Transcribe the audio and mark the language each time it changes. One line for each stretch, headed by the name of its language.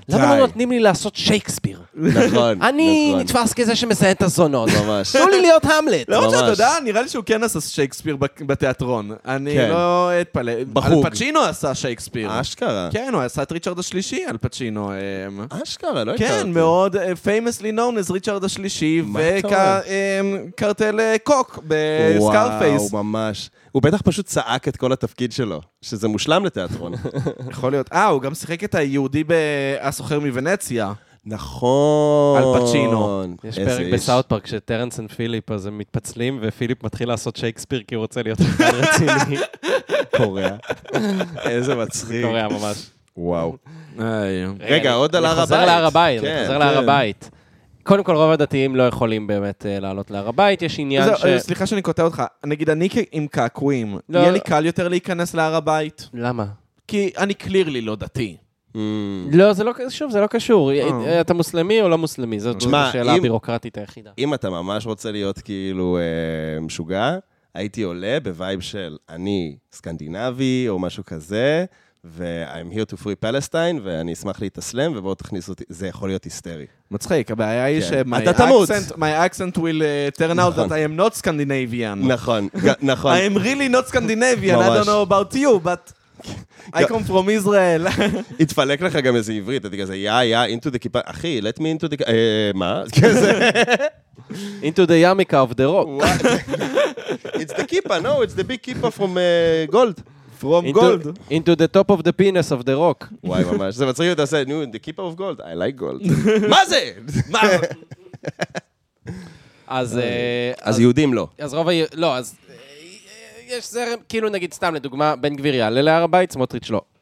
Hebrew: למה לא נותנים לי לעשות שייקספיר? נכון. אני נתפס כזה שמזיין את הזונות. ממש. תנו לי להיות המלט. לא רוצה, אתה יודע, נראה לי שהוא כן עשה שייקספיר בתיאטרון. אני לא אתפלא. בחוג. אל פצ'ינו עשה שייקספיר. אשכרה. כן, הוא עשה את ריצ'רד השלישי, אל פצ'ינו. אשכרה, לא הכרתי. כן, מאוד.
English: famously known as ריצ'רד השלישי.
Hebrew: וקרטל קוק בסקארפייס. וואו, ממש. הוא בטח פשוט צעק את כל התפקיד שלו, שזה מושלם לתיאטרון. יכול להיות. הוא גם שיחק את היהודי בסוחר מוונציה. נכון. אל פצ'ינו. יש פרק בסאוט פארק שטרנס ופיליפ אז הם מתפצלים, ופיליפ מתחיל לעשות שייקספיר כי הוא רוצה להיות רציני. קוריאה. איזה מצחיק. קוריאה ממש. וואו. רגע, עוד על הר הבית. חזר להר הבית. חזר להר הבית. קודם כל, רוב הדתיים לא יכולים באמת לעלות להר הבית, יש עניין זה, ש... סליחה שאני קוטע אותך, נגיד אני עם קעקועים, לא... יהיה לי קל יותר להיכנס להר הבית? למה? כי אני קלירלי לא דתי. לא, זה לא, שוב, זה לא קשור. אתה מוסלמי או לא מוסלמי? זאת שאלה הבירוקרטית היחידה. אם אתה ממש רוצה להיות כאילו משוגע, הייתי עולה בווייב של אני סקנדינבי או משהו כזה, ו-
English: I'm here to free Palestine,
Hebrew: ואני אשמח להתאסלם, ובואו תכניס אותי, זה יכול להיות היסטרי. מצחיק, הבעיה היא שמי אקסנט
English: will turn out that I am not Scandinavian.
Hebrew: נכון, נכון.
English: I am really not Scandinavian, I don't know about you, but I come from Israel.
Hebrew: התפלק לך גם איזה עברית, אתה כזה,
English: yeah, into the kippah,
Hebrew: אחי,
English: let me into the,
Hebrew: מה? כזה...
English: Into the yarmulke of the rock. It's the kippah, no, it's the big kippah from gold. From gold. Into the top of the penis of the rock.
Hebrew: וואי, ממש. זה מצריך להיות, אתה עושה, נו,
English: the keeper of gold. I like gold.
Hebrew: מה זה? מה? אז יהודים לא. אז רוב ה... לא, אז... יש זרם, כאילו נגיד סתם לדוגמה, בן גביר יעלה להר הבית, סמוטריץ' לא.